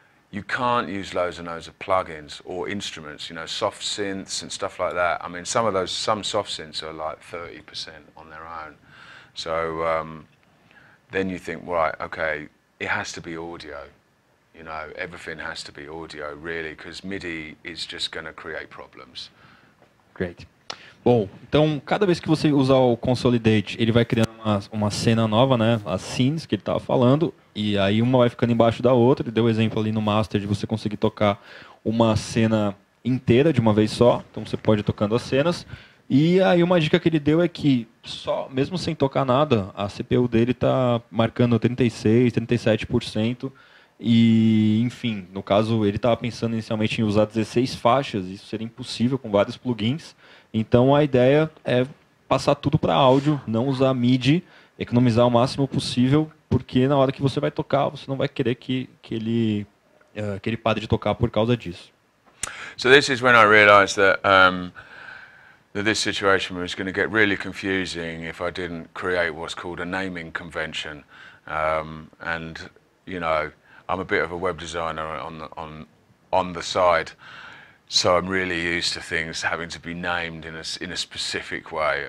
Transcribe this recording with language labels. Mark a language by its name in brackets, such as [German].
[English] You can't use loads and loads of plugins or instruments, you know, soft synths and stuff like that. I mean, some soft synths are like 30% on their own. So then you think, right, okay, it has to be audio, you know, everything has to be audio, really, because MIDI is just going to create problems. Great. [Portuguese] Bom, então, cada vez que você usar o Consolidate, ele vai criando uma cena nova, né, as scenes que ele estava falando, e aí uma vai ficando embaixo da outra. Ele deu o exemplo ali no Master de você conseguir tocar uma cena inteira de uma vez só, então você pode ir tocando as cenas. E aí uma dica que ele deu é que, só, mesmo sem tocar nada, a CPU dele está marcando 36%, 37%. E, enfim, no caso, ele estava pensando inicialmente em usar 16 faixas, isso seria impossível com vários plugins. Então a ideia é passar tudo para áudio, não usar MIDI, economizar o máximo possível, porque na hora que você vai tocar, você não vai querer que ele pare de tocar por causa disso. [English] So this is when I realized that that this situation was going to get really confusing if I didn't create what's called a naming convention. And you know, I'm a bit of a web designer on the side, so I'm really used to things having to be named in a specific way.